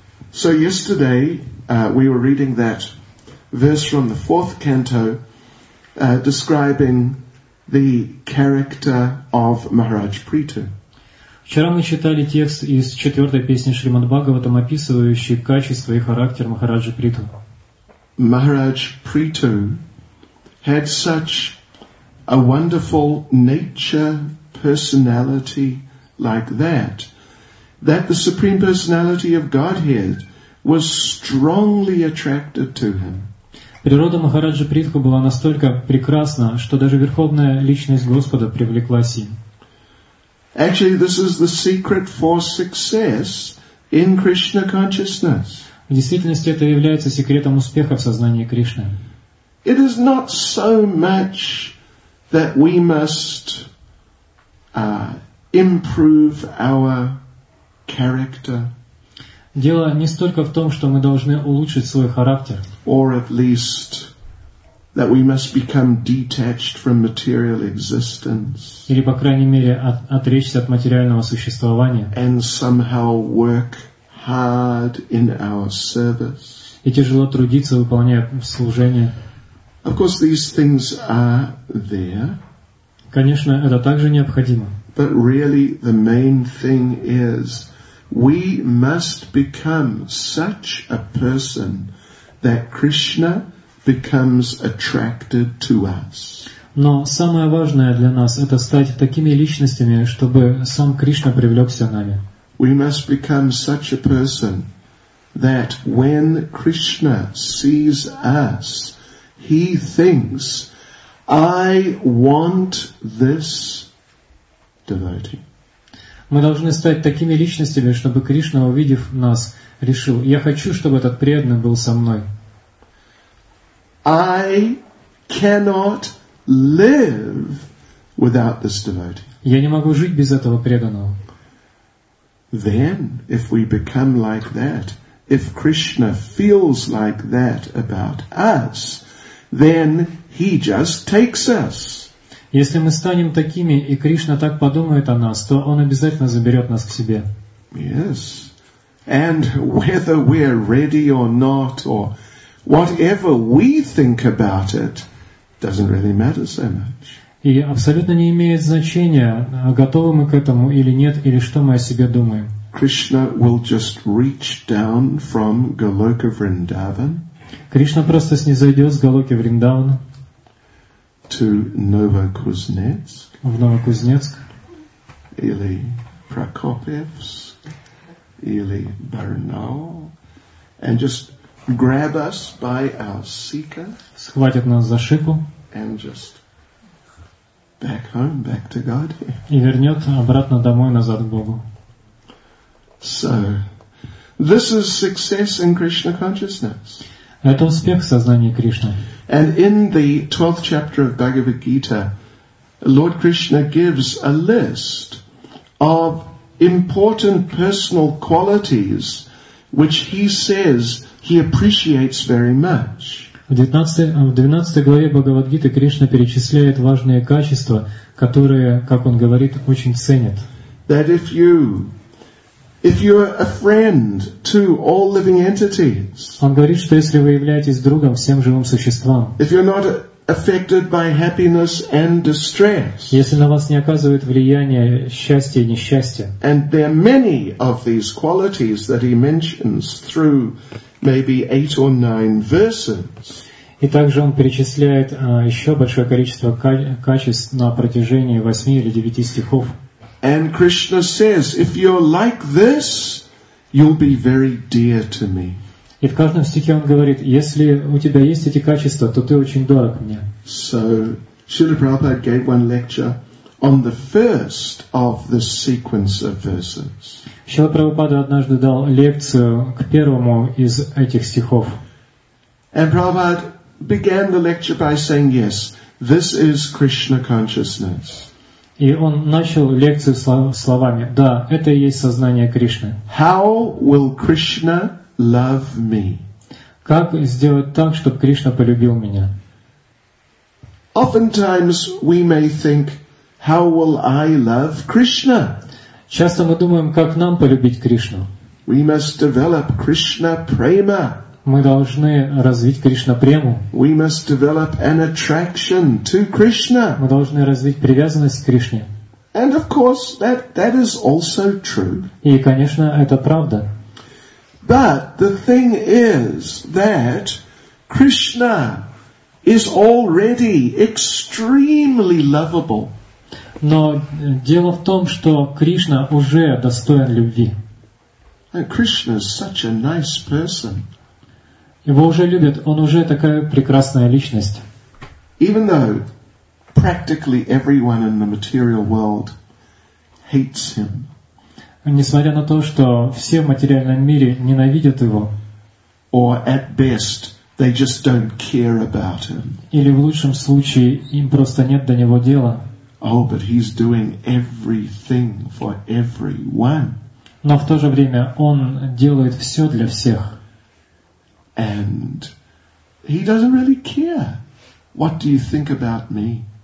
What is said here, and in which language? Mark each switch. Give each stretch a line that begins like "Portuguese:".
English: So yesterday we were reading that verse from the fourth canto describing the character of Maharaj Prithu.
Russian: Вчера мы читали текст из четвертой песни Шримад Бхагаватам, описывающий качество и характер Махараджи Притху.
English: Maharaj Prithu had such a wonderful nature, personality like that, that the Supreme Personality of Godhead was strongly attracted to him.
Russian: Природа Махараджи Притху была настолько прекрасна, что даже Верховная Личность Господа привлеклась им.
English: Actually, this is the secret for success in Krishna consciousness.
Russian: действительности это является секретом успеха в сознании Кришны.
English: It is not so much that we must improve our character.
Russian: Дело не столько в том, что мы должны улучшить свой характер.
English: Or at least that we must become detached from material existence.
Russian: Или, по крайней мере, отречься от материального существования.
English: And somehow work hard in our service.
Russian: И тяжело трудиться, выполняя служение.
English: Of course, these things are there.
Russian: Конечно, это также необходимо.
English: But really, the main thing is we must become such a person that Krishna becomes attracted to us.
Russian: Но самое важное для нас это стать такими личностями, чтобы сам Кришна привлёкся нами.
English: We must become such a person that when Krishna sees us, he thinks, I want this devotee.
Russian: Мы должны стать такими личностями, чтобы Кришна, увидев нас, решил: я хочу, чтобы этот преданный был со мной.
English: I cannot live without this devotee.
Russian: Я не могу жить без этого преданного.
English: Then, if we become like that, if Krishna feels like that about us, then he just takes us.
Russian: Если мы станем такими, и Кришна так подумает о нас, то он обязательно заберет нас к себе.
English: Yes. And whether we're ready or not, or whatever we think about it, doesn't really matter so much.
Russian: И абсолютно не имеет значения, готовы мы к этому или нет, или что мы о себе думаем.
English: Krishna will just reach down from Goloka Vrindavan.
Russian: Кришна просто снизойдет с Голоки Вриндавана
English: to Novokuznetsk,
Russian: в Новокузнецк, или Prokopievsk, или Барнау,
English: and just grab us by our sika,
Russian: схватит нас за шипу,
English: and just back home, back to God,
Russian: и вернет обратно домой, назад к Богу.
English: So, this is success in Krishna consciousness.
Russian: Это успех в сознании Кришны.
English: And in the 12th chapter of Bhagavad Gita, Lord Krishna gives a list of important personal qualities which he says he appreciates very much.
Russian: В 12 главе Бхагавад Гиты Кришна перечисляет важные качества, которые, как он говорит, очень ценит.
English: That if you are a friend to all living entities.
Russian: Он говорит, что если вы являетесь другом всем живым существам.
English: If you're not affected by happiness and distress.
Russian: Если на вас не оказывает влияние счастье и несчастье.
English: And there are many of these qualities that he mentions through maybe 8 or 9 verses.
Russian: И также он перечисляет еще большое количество качеств на протяжении 8 или 9 стихов.
English: And Krishna says, if you're like this, you'll be very dear to me.
Russian: И в каждом стихе он говорит, если у тебя есть эти качества, то ты очень дорог мне.
English: So, Srila Prabhupada gave one lecture on the first of the sequence of verses.
Russian: Srila Prabhupada однажды дал лекцию к первому из этих стихов.
English: And Prabhupada began the lecture by saying, yes, this is Krishna consciousness.
Russian: И он начал лекцию словами: «Да, это и есть сознание Кришны».
English: How will Krishna love me?
Russian: Как сделать так, чтобы Кришна полюбил меня?
English: Oftentimes we may think, how will I love Krishna?
Russian: Часто мы думаем, как нам полюбить Кришну.
English: We must develop Krishna prema.
Russian: Мы должны развить Кришна-прему.
English: We must develop an attraction to Krishna.
Russian: Мы должны развить привязанность к Кришне.
English: And of course, that is also true.
Russian: И, конечно, это правда.
English: But the thing is that Krishna is already extremely lovable.
Russian: Но дело в том, что Кришна уже достоин любви.
English: And Krishna is such a nice person.
Russian: Его уже любят, он уже такая прекрасная личность.
English: Even though practically everyone in the material world hates him.
Russian: Несмотря на то, что все в материальном мире ненавидят его.
English: Or at best, they just don't care about him.
Russian: Или в лучшем случае им просто нет до него дела.
English: Oh, but he's doing everything for everyone.
Russian: Но в то же время он делает все для всех.
English: And he doesn't really care. What do you think about me?